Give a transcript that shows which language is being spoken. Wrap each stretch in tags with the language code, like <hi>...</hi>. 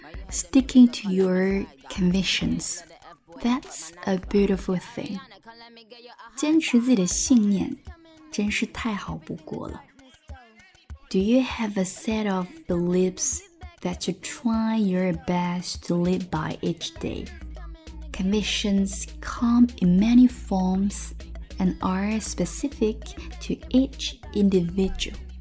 <en>Sticking to your convictions, that's a beautiful thing.</en> <zh>坚持自己的信念真是太好不过了。</zh> <en>Do you have a set of beliefs that you try your best to live by each day? Convictions come in many forms and are specific to each individual.</en>